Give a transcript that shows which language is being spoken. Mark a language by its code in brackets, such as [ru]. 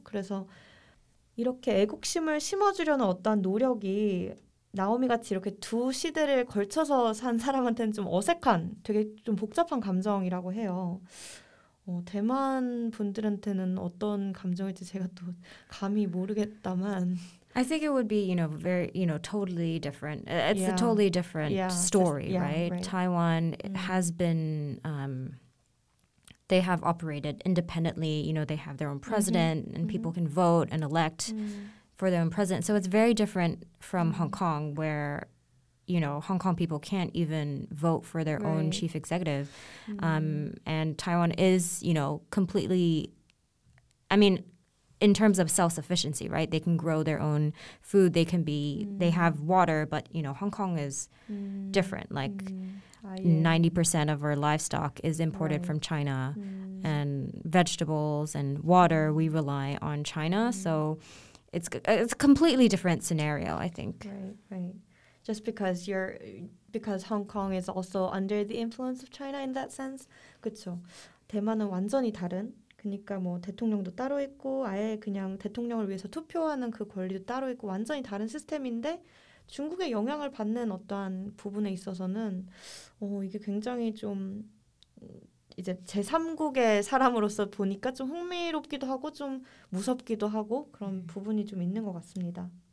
[ko] 그래서 이렇게 애국심을 심어주려는 어떠한 노력이 나오미같이 이렇게 두 시대를 걸쳐서 산 사람한테는 좀 어색한, 되게 좀 복잡한 감정이라고 해요. 어, 대만 분들한테는 어떤 감정일지 제가 또 감히 모르겠다만. [en] I think it would be, you know, very, you know, totally different. It's a totally different story, right? Taiwan has been, they have operated independently. You know, they have their own president and people can vote and elect for their own president. So it's very different from Hong Kong, where, you know, Hong Kong people can't even vote for their own chief executive. And Taiwan is, you know, completely, I mean, in terms of self-sufficiency, right? They can grow their own food. They can be, they have water, but, you know, Hong Kong is different. Like 90% of our livestock is imported from China, and vegetables and water, we rely on China. So it's a completely different scenario, I think. Right. Just because you're, because Hong Kong is also under the influence of China in that sense. [ko] 그렇죠. 대만은 완전히 다른. 그러니까 뭐 대통령도 따로 있고 아예 그냥 대통령을 위해서 투표하는 그 권리도 따로 있고 완전히 다른 시스템인데, 중국의 영향을 받는 어떠한 부분에 있어서는 어, 이게 굉장히 좀 이제 제3국의 사람으로서 보니까 좀 흥미롭기도 하고 좀 무섭기도 하고 그런 부분이 좀 있는 것 같습니다.